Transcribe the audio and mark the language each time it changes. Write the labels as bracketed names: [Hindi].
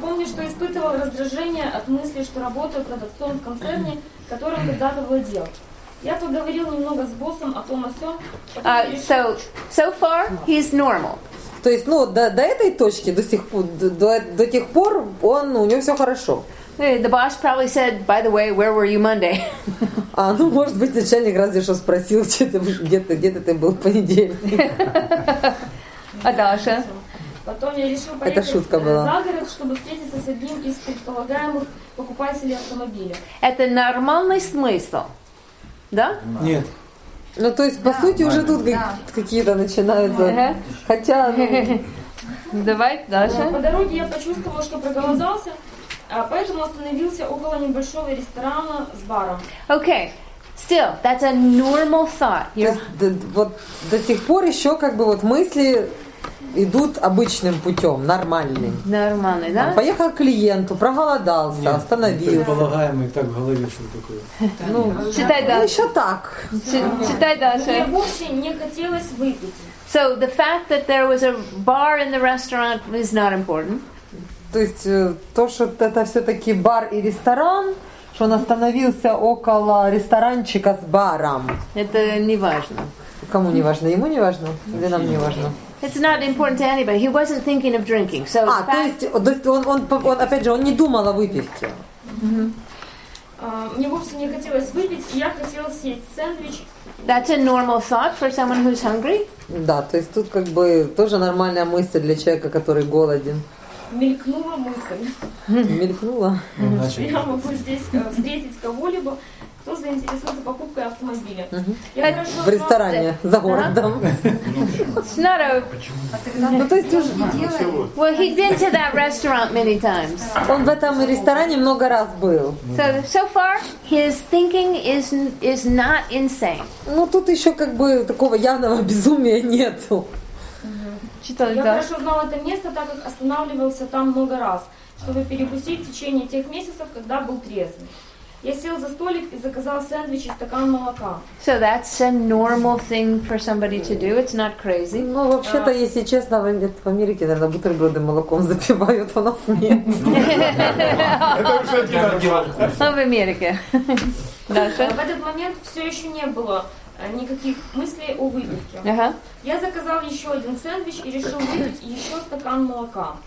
[Russian] Помню, что испытывал раздражение от мысли, что работаю продавцом в концерне, которым когда-то владел. Я поговорил немного с боссом о том, о сём. [English] So far, he's normal. [Russian] То есть, ну, до этой точки, до тех пор, он, у него все хорошо. [English] The boss probably said, by the way, where were you Monday? [Russian] А, ну, может быть, начальник разве что спросил, где-то ты был в понедельник. А дальше? Потом я решил поехать за город, чтобы встретиться с одним из предполагаемых покупателей автомобиля. Это нормальный смысл, да? Нет. Ну, то есть, по сути, уже тут какие-то начинаются. Хотя, ну... Давай дальше. По дороге я почувствовал, что проголодался, поэтому остановился около небольшого ресторана с баром. [English] Okay. Still, that's a normal thought. [Russian] Вот до сих пор еще как бы вот мысли идут обычным путем, нормальным. Нормальный, да? А поехал к клиенту, проголодался, нет, остановился. Нет, предполагаемый так в голове, что такое. Ну, читай дальше. Еще так. Читай дальше. Мне вовсе не хотелось выпить. [English] So the fact that there was a bar in the restaurant is not important. [Russian] То есть то, что это все-таки бар и ресторан, что он остановился около ресторанчика с баром. Это не важно. Кому не важно? Ему не важно? Или нам не важно? [English] It's not important to anybody. He wasn't thinking of drinking. So [Russian] а, то есть, он, опять же, он не думал о выпивке. Mm-hmm. Мне вовсе не хотелось выпить, я хотела съесть сэндвич. [English] That's a normal thought for someone who's hungry. [Russian] Да, то есть тут как бы тоже нормальная мысль для человека, который голоден. Мелькнула мысль. Мелькнула. Я могу здесь встретить кого-либо, кто заинтересуется покупкой автомобиля. Я в ресторане за городом. Ну то есть уже. [English] Well, he's been to that restaurant many times. [Russian] Он в этом ресторане много раз был. [English] So far, his thinking is not insane. [Russian] Ну тут еще как бы такого явного безумия нету. Читали, я да. хорошо знал это место, так как останавливался там много раз, чтобы перекусить в течение тех месяцев, когда был трезвый. Я сел за столик и заказал сэндвич и стакан молока. [English] So that's a normal thing for somebody to do. It's not crazy. [Russian] Ну, вообще-то, если честно, в Америке, наверное, бутерброды молоком запивают, у нас нет. Это уже один раз. В Америке. В этот момент все еще не было никаких мыслей о выпивке. Uh-huh. Я заказал еще один сэндвич и решил выпить еще стакан молока.